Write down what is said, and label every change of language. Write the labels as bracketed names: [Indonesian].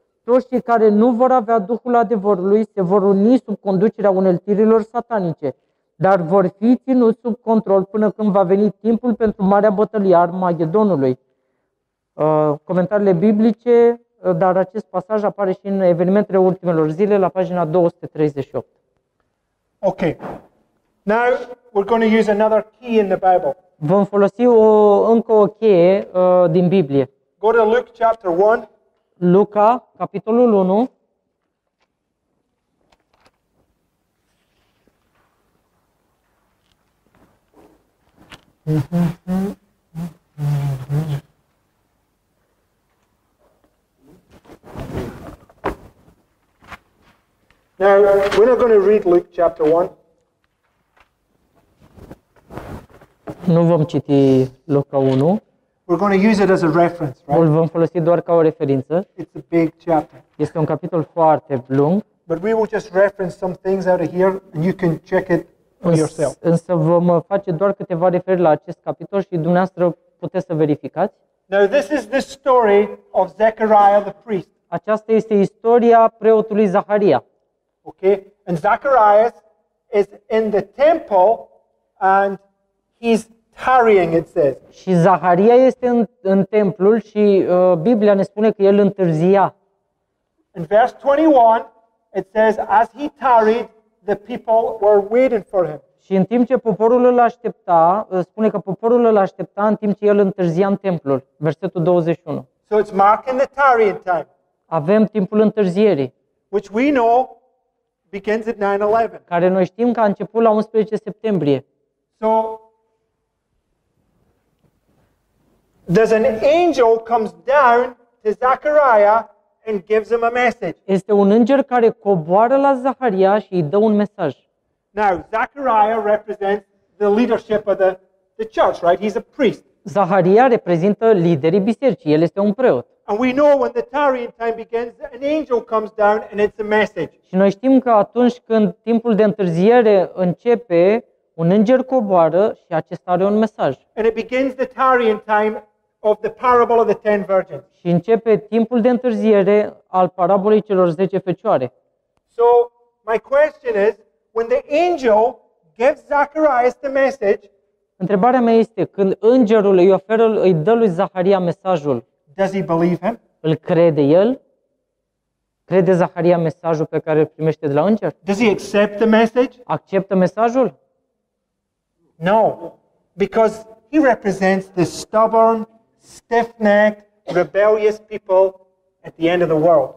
[Romanian] Credincioșii care nu vor avea Duhul adevărului se vor uni sub conducerea uneltirilor satanice, dar vor fi ținuți sub control până când va veni timpul pentru marea bătălie a Armagedonului. Comentariile biblice, dar acest pasaj apare și în Evenimentele ultimelor zile la pagina 238. Ok. [English] Now we're going to use another key in the Bible. [Romanian] Vom folosi o încă o cheie din Biblie. [English] Go to Luke chapter 1. [Romanian] Luca, capitolul 1. [English] Now, we're not going to read Luke chapter 1. [Romanian] Nu vom citi Luca 1. [English] We're going to use it as a reference, right? [Romanian] Vom folosi doar ca o referință. [English] It's a big chapter. [Romanian] Este un capitol foarte lung. [English] But we will just reference some things out of here and you can check it for yourself. [Romanian] Însă vom face doar câteva referiri la acest capitol și dumneavoastră puteți să verificați. [English] Now this is the story of Zechariah the priest. [Romanian] Aceasta este istoria preotului Zaharia. [English] Okay? And Zacharias is in the temple and he's tarrying, it says. [Romanian] Și Zaharia este în templul și Biblia ne spune că el întârzia. [English] In verse 21, it says as he tarried, the people were waiting for him. [Romanian] Și în timp ce poporul îl aștepta, spune că poporul îl aștepta în timp ce el întârzia în templul. Versetul 21. [English] So it's marking the tarrying time. [Romanian] Avem timpul întârzierii. [English] Which we know begins at 9/11. [Romanian] Care noi știm că a început la 11 septembrie. [English] So there's an angel comes down to Zechariah and gives him a message. [Romanian] Este un înger care coboară la Zaharia și îi dă un mesaj. [English] Now, Zechariah represents the leadership of the church, right? He's a priest. [Romanian] Zaharia reprezintă liderii bisericii, el este un preot. [English] And we know when the tarrying time begins, an angel comes down and it's a message. [Romanian] Și noi știm că atunci când timpul de întârziere începe, un înger coboară și acesta are un mesaj. [English] And it begins the tarrying time of the parable of the 10 virgins. [Romanian] Și începe timpul de întârziere al parabolei celor 10 fecioare. [English] So, my question is, when the angel gives Zacharias the message, [Romanian] întrebarea mea este, când îngerul îi dă lui Zaharia mesajul, [English] does he believe him? [Romanian] Îl crede el? Crede Zaharia mesajul pe care îl primește de la înger? [English] Does he accept the message? [Romanian] Acceptă mesajul? [English] No, because he represents the stubborn, stiff-necked, rebellious people at the end of the world.